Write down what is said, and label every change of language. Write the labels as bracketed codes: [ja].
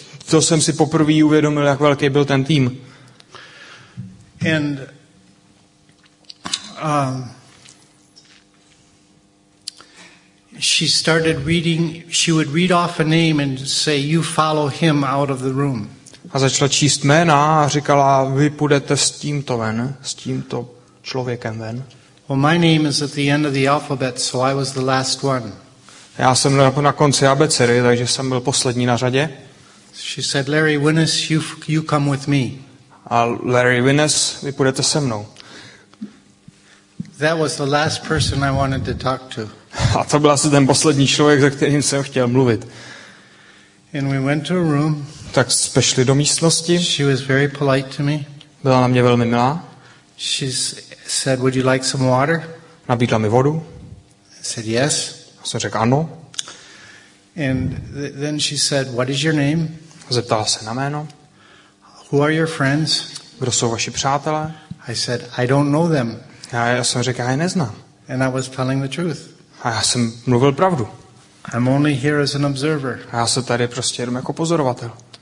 [cs] To jsem si poprvé uvědomil, jak velký byl ten tým. [en] And she started reading. She would read off a name and say, "You follow him out of the room." [cs] A začala číst jména a říkala, vy půjdete s tímto ven, s tímto člověkem ven. [en] Well, my name is at the end of the alphabet, so I was the last one. [cs] Já jsem na konci abecery, takže jsem byl poslední na řadě. [en] She said, Larry Winnes, you come with me. [cs] A Larry Winnes, vy půjdete se mnou. [en] That was the last person I wanted to talk to. [cs] A to byl asi ten poslední člověk, se kterým jsem chtěl mluvit. [en] And we went to a room. [cs] Tak jsme šli do místnosti. [en] She was very polite to me. [cs] Byla na mě velmi milá. [en] She said, would you like some water? [cs] Nabídla mi vodu. [en] Said yes. [cs] Jsem řekl ano. [en] And then she said, "What is your name?" [cs] Zeptala se na jméno. [en] "Who are your friends?" [cs] Kdo jsou vaši přátelé? [en] I said, "I don't know them." [cs] Já jsem řekl, já je neznám. [en] And I was telling the truth. [cs] A já jsem mluvil pravdu. [en] I'm only here as an observer. [cs] A já jsem tady prostě jenom jako pozorovatel.